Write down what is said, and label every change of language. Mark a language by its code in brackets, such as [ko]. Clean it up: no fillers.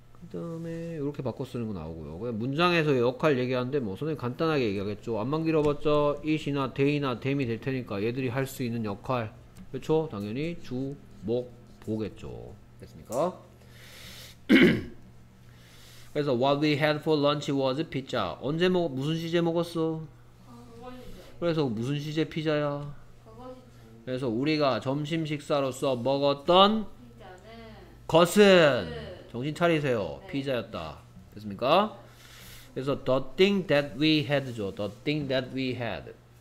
[ko] 그 다음에 이렇게 바꿔 쓰는 거 나오고요. 그냥 문장에서 역할 얘기하는데 뭐 선생님 간단하게 얘기하겠죠. 앞만 길어봤자 it이나 they나 them이 될 테니까 얘들이 할 수 있는 역할 그렇죠? 당연히 주목 보겠죠. 됐습니까? 그래서 [en] what we had for lunch was pizza. [ko] 언제 먹 무슨 시제 먹었어? 그래서 무슨 시제 피자야? 그래서 우리가 점심 식사로서 먹었던 피자는 것은 정신 차리세요. 네. 피자였다. 됐습니까? 그래서 [en] the thing that we had죠. The thing that we had.